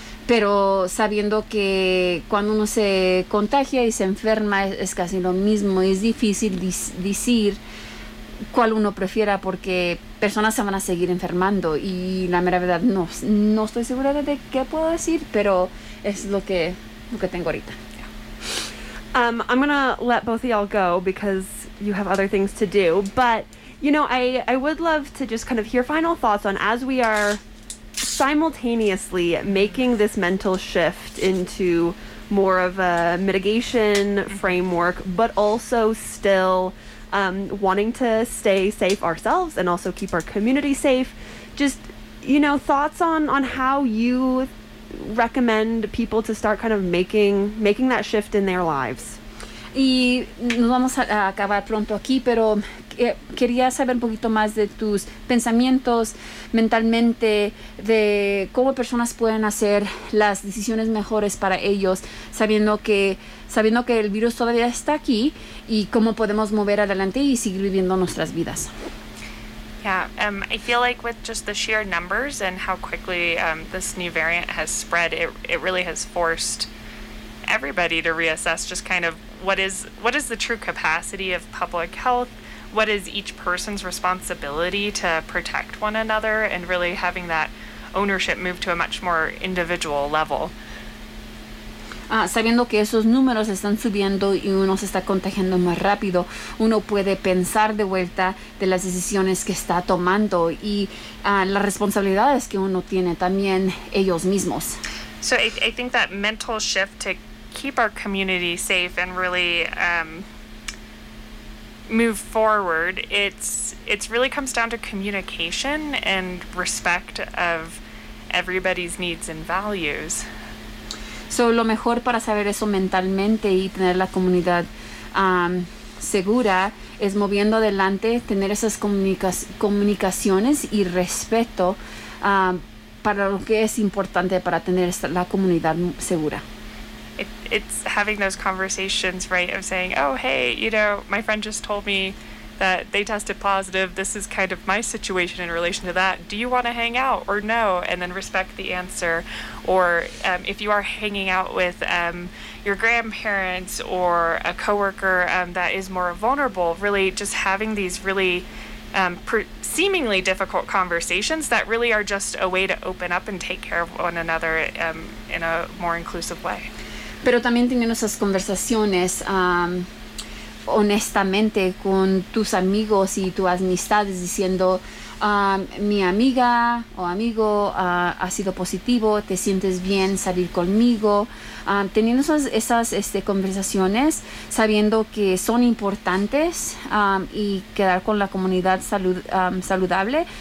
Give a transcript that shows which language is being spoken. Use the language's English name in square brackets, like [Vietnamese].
[Spanish] Pero sabiendo que cuando uno se contagia y se enferma es casi lo mismo. Es difícil decir cuál uno prefiera porque personas se van a seguir enfermando. Y la mera verdad, no estoy segura de qué puedo decir, pero es lo que tengo ahorita. [English] I'm gonna let both of y'all go because you have other things to do, but you know, I would love to just kind of hear final thoughts on, as we are simultaneously making this mental shift into more of a mitigation framework, but also still wanting to stay safe ourselves and also keep our community safe. Just, you know, thoughts on how you recommend people to start kind of making that shift in their lives? [Spanish] Y nos vamos a acabar pronto aquí, pero quería saber un poquito más de tus pensamientos mentalmente, de cómo personas pueden hacer las decisiones mejores para ellos, sabiendo que el virus todavía está aquí, y cómo podemos mover adelante y seguir viviendo nuestras vidas. [English] Yeah, I feel like with just the sheer numbers and how quickly this new variant has spread, it really has forced everybody to reassess just kind of what is the true capacity of public health? What is each person's responsibility to protect one another, and really having that ownership move to a much more individual level. [Spanish] Sabiendo que esos números están subiendo y uno se está contagiando más rápido, uno puede pensar de vuelta de las decisiones que está tomando y las responsabilidades que uno tiene también ellos mismos. [English] So I think that mental shift to keep our community safe and really move forward, it's really comes down to communication and respect of everybody's needs and values. [Spanish] So lo mejor para saber eso mentalmente y tener la comunidad segura es moviendo adelante, tener esas comunicaciones y respeto para lo que es importante para tener la comunidad segura. [English] It's having those conversations, right, of saying, oh, hey, you know, my friend just told me that they tested positive. This is kind of my situation in relation to that. Do you want to hang out or no? And then respect the answer. Or if you are hanging out with your grandparents or a coworker that is more vulnerable, really just having these really seemingly difficult conversations that really are just a way to open up and take care of one another in a more inclusive way. [Spanish] Pero también teniendo esas conversaciones honestamente con tus amigos y tus amistades, diciendo mi amiga o amigo ha sido positivo, te sientes bien salir conmigo. Teniendo esas conversaciones, sabiendo que son importantes y quedar con la comunidad saludable.